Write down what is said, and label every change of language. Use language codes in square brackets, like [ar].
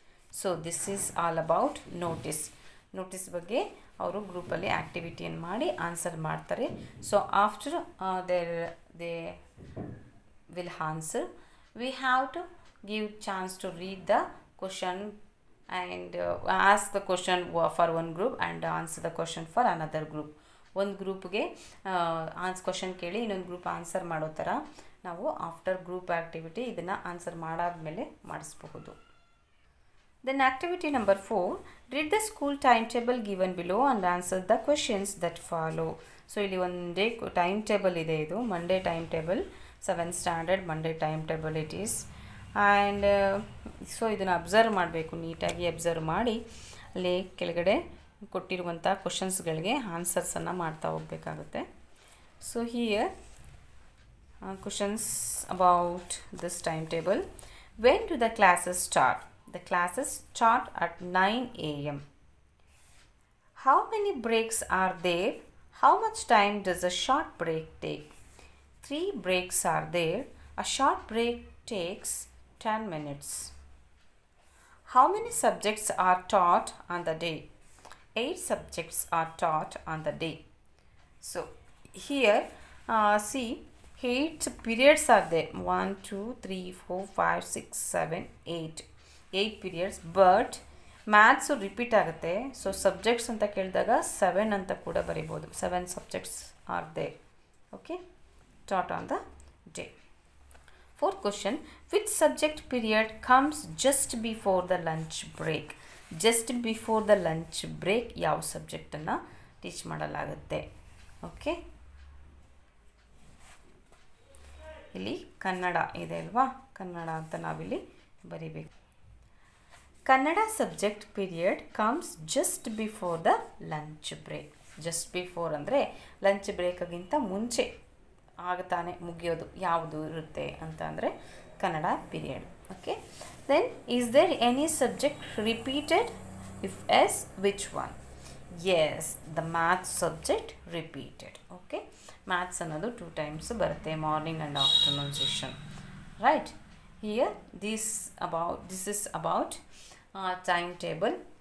[en] So this is all about notice. Notice [kn] bagge avaru group alli activity an maadi answer maartare. [en] So after they will answer, we have to give chance to read the question and ask the question for one group and answer the question for another group. [kn] ಒಂದು ಗ್ರೂಪ್ಗೆ ons question ಕೇಳಿ ಇನ್ನೊಂದು group answer ಮಾಡೋ ಥರ ನಾವು after group activity ಇದನ್ನು answer ಮಾಡಾದಮೇಲೆ ಮಾಡಿಸ್ಬಹುದು. [en] Then activity number 4, read the school time table given below and answer the questions that follow. [kn] So ಇಲ್ಲಿ ಒಂದೇ ಟೈಮ್ ಟೇಬಲ್ ಇದೆ, ಇದು Monday time table, 7th standard Monday time table [en] It is. [kn] And so ಇದನ್ನು observe ಮಾಡಬೇಕು, ನೀಟಾಗಿ observe ಮಾಡಿ ಅಲ್ಲಿ ಕೆಳಗಡೆ ಕೊಟ್ಟಿರುವಂಥ ಕ್ವಶನ್ಸ್ಗಳಿಗೆ ಆನ್ಸರ್ಸನ್ನು ಮಾಡ್ತಾ ಹೋಗಬೇಕಾಗುತ್ತೆ. [en] So here questions about this time table. When do the classes start? The classes start at 9 AM. How many breaks are there? How much time does a short break take? 3 breaks are there. A short break takes 10 minutes. How many subjects are taught on the day? 8 subjects are taught on the day. So here see 8 periods are there, 1 2 3 4 5 6 7 8 periods, but maths repeat [kn] agutte. [en] So subjects [kn] anta keldaga 7 anta kuda baribodu, [en] 7 subjects are there, okay, taught on the day. Fourth question, which subject period comes just before the lunch break? Just before the lunch break [kn] ಯಾವ ಸಬ್ಜೆಕ್ಟನ್ನು teach ಮಾಡಲಾಗುತ್ತೆ? Okay, ಇಲ್ಲಿ ಕನ್ನಡ ಇದೆ ಅಲ್ವಾ, ಕನ್ನಡ ಅಂತ ನಾವಿಲ್ಲಿ ಬರೀಬೇಕು. [en] Kannada subject period comes just before the lunch break. [kn] Just before ಅಂದರೆ lunch ಬ್ರೇಕಿಗಿಂತ ಮುಂಚೆ ಆಗ್ತಾನೆ ಮುಗಿಯೋದು. ಯಾವುದು ಇರುತ್ತೆ ಅಂತ ಅಂದರೆ Kannada period. Okay, [en] then is there any subject repeated? If yes, which one? Yes, the math subject repeated. Okay, maths another 2 times [kn] barutte, [en] morning and afternoon session, right? here this is about timetable.